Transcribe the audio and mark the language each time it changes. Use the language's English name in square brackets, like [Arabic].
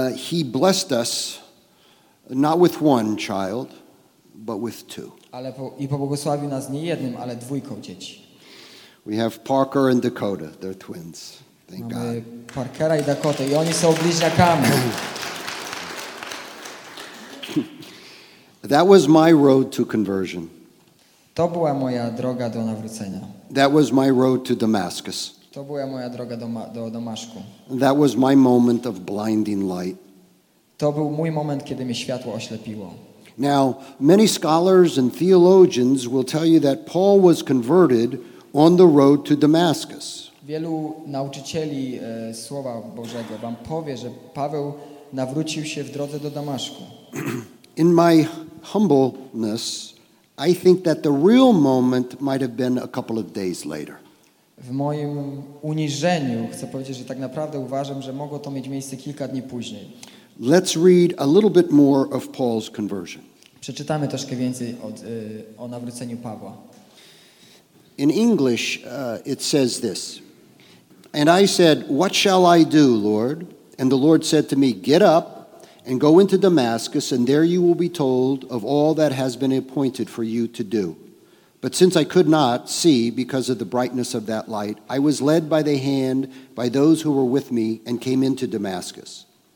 [English] He blessed us not with one child, but with two. [Polish] Ale i pobłogosławił nas nie jednym, ale dwójką dzieci. [English] We have Parker and Dakota. They're twins. Thank [Polish] Mamy [English] God. [Polish] Mamy Parkera i Dakota i oni są bliźniakami. [English] That was my road to conversion. [Polish] To była moja droga do nawrócenia. [English] That was my road to Damascus. [Polish] To była moja droga do Damaszku. [English] That was my moment of blinding light. [Polish] To był mój moment, kiedy mnie światło oślepiło. [English] Now, many scholars and theologians will tell you that Paul was converted on the road to Damascus. [Polish] Wielu nauczycieli Słowa Bożego wam powie, że Paweł nawrócił się w drodze do Damaszku. [English] In my humbleness, I think that the real moment might have been a couple of days later. [Polish] W moim uniżeniu chcę powiedzieć, że tak naprawdę uważam, że mogło to mieć miejsce kilka dni później. [English] Let's read a little bit more of Paul's conversion. [Polish] Przeczytamy troszkę więcej o nawróceniu Pawła. [English] In English, it says this. And I said, "What shall I do, Lord?" And the Lord said to me, "Get up and go into Damascus, and there you will be told of all that has been appointed for you to do. But since I could not see because of the brightness of that light, I was led by the hand by those who were with me and came into Damascus.